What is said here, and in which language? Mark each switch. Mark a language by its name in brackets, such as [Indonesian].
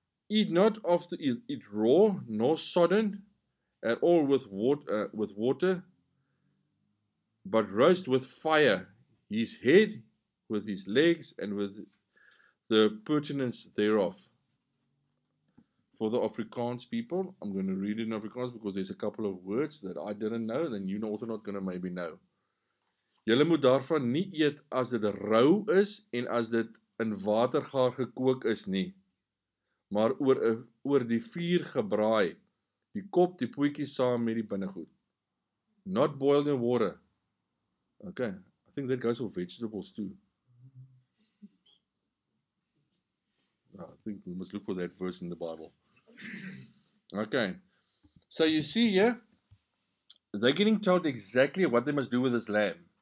[English] Eat not of it raw, nor sodden, at all with water, but roast with fire, his head, with his legs, and with the pertinence thereof. For the Afrikaans people, I'm going to read it in Afrikaans because there's a couple of words that I didn't know, then you're also not going to maybe know. [Afrikaans] Julle moet daarvan nie eet as dit rou is en as dit in water gaar gekook is nie, maar oor die vuur gebraai, die kop, die poetjies saam met die binnengoed. [English] Not boiled in water. Okay, I think that goes for vegetables too. I think we must look for that verse in the Bible. Okay, so you see here, they're getting told exactly what they must do with this lamb.